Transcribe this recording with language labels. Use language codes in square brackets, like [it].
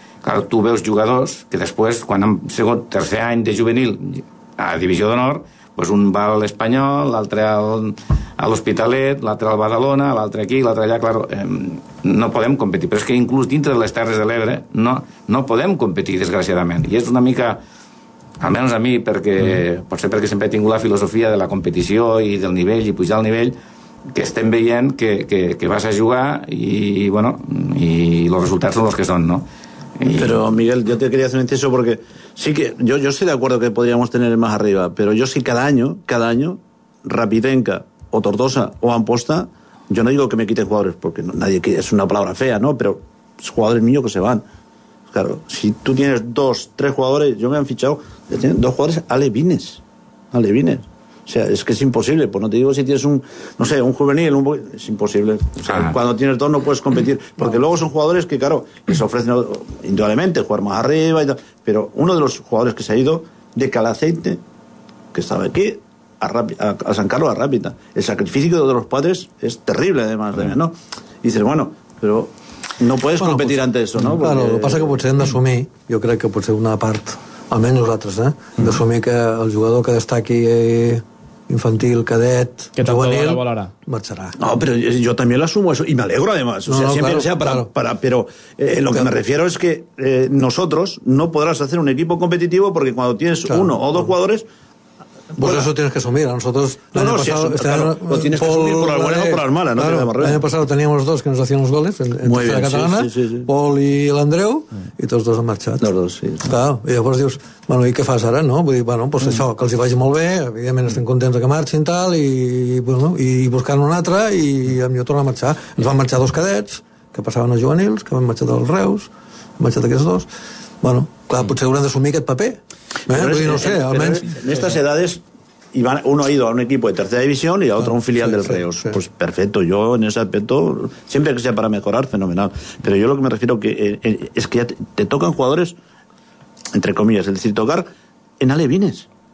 [ca] Clar, tu veus jugadors que després, quan han sigut tercer any de juvenil a Divisió d'Honor, pues un va a l'Espanyol, l'altre a l'Hospitalet, l'altre al Badalona, l'altre aquí, l'altre allà, claro, no podem competir, però és que inclús dintre de les Terres de l'Ebre no podem competir, desgraciadament, i és una mica, almenys a mi, perquè potser perquè sempre he tingut la filosofia de la competició i del nivell i pujar al nivell, que estem veient que vas a jugar i bueno, i els resultats són els que són, no? [es] Pero Miguel, yo te quería hacer un inciso porque sí que yo estoy de acuerdo que podríamos tener más arriba, pero yo sí cada año Rapitenca o Tortosa o Amposta, yo no digo que me quiten jugadores porque nadie quiere, es una palabra fea, ¿no? Pero es jugadores míos que se van. Claro, si tú tienes dos, tres jugadores, yo me han fichado dos jugadores alevines. O sea, es que es imposible, pues no te digo si tienes un, no sé, un juvenil, es imposible. O sea, cuando tienes dos no puedes competir, porque luego son jugadores que, claro, les ofrecen indudablemente jugar más arriba y tal, pero uno de los jugadores que se ha ido de Calaceite, que estaba aquí, a San Carlos, a Rápita, el sacrificio de los padres es terrible, además, también, ¿no? Y dices, bueno, pero no puedes competir pues, ante eso, ¿no? Claro, porque... lo que pasa es que [ca] potser hem d'assumir, [es] yo creo que [ca] potser una part... almenys nosaltres, hem d'assumir que el jugador que destaqui infantil, cadet, que juvenil, marxarà. No, però jo també l'assumo això, i m'alegro, además. [es] O sea, siempre claro, sea para, pero lo que me refiero es que nosotros no podrás hacer un equipo competitivo porque cuando tienes claro, uno o dos jugadores... Pues eso tienes que asumir. Nosotros año pasado... Si eso, claro, lo tienes Pol, que asumir por la buena o por la mala, ¿no? Claro, el año pasado teníamos dos que nos hacían los goles en la tercera catalana, sí. [ca] Pol i l'Andreu, i tots dos han marxat. [es] Los dos, sí. [ca] Claro, i llavors dius, bueno, i què fas ara, no? Vull dir, bueno, pues això, que els hi vagi molt bé, evidentment estem contents que marxin tal, i bueno, i buscant un altre, i a mi jo torno a marxar. Ens van marxar dos cadets, que passaven a juvenils, que van marxar dels Reus, han marxat aquests dos. Bueno, clar, potser hauran d'assumir aquest paper. [es] Pero no sé, [ca] almenys... [es] en estas edades uno ha ido a un equipo de tercera división y a otro a un filial del Reus. Sí. Pues perfecto, yo en ese aspecto, siempre que sea para mejorar, fenomenal. Pero yo lo que me refiero que es que ya te tocan jugadores, entre comillas, es decir, tocar en alevines.